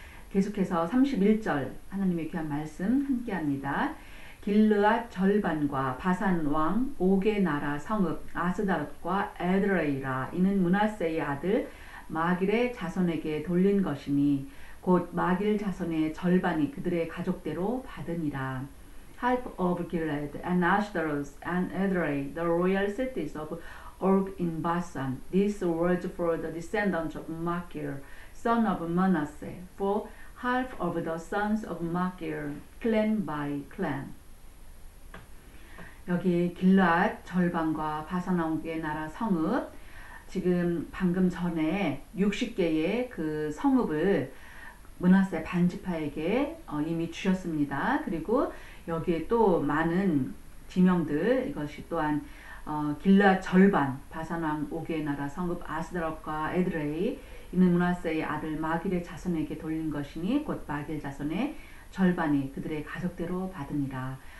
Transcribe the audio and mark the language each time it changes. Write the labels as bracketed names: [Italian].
[Korean] 계속해서 31절 하나님의 귀한 말씀 함께합니다. 길르앗 절반과 바산 왕 오게 나라 성읍 아스다롯과 에드레이라 이는 므낫세의 아들 마길의 자손에게 돌린 것이니 곧 마길 자손의 절반이 그들의 가족대로 받으니라. [English] Half of Gilead and Ashdod and Edrei, the royal cities of Og in Bashan. These words for the descendants of Machir, son of Manasseh, for half of the sons of Machir, clan by clan. [Korean] 여기 길르앗 절반과 바산 왕의 나라 성읍, 지금 방금 전에 60개의 그 성읍을 므낫세 반지파에게 이미 주셨습니다. 그리고 여기에 또 많은 지명들, 이것이 또한 길르앗 절반, 바산왕 오게 나라 성읍 아스다롯과 에드레이, 이는 므낫세의 아들 마길의 자손에게 돌린 것이니 곧 마길 자손의 절반이 그들의 가족대로 받으니라.